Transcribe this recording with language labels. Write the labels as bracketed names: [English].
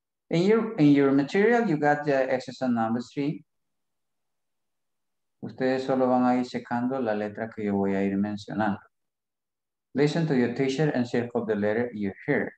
[English] In your material, you got the exercise number 3. [Spanish] Ustedes solo van a ir checando la letra que yo voy a ir mencionando. [English] Listen to your teacher and circle the letter you hear.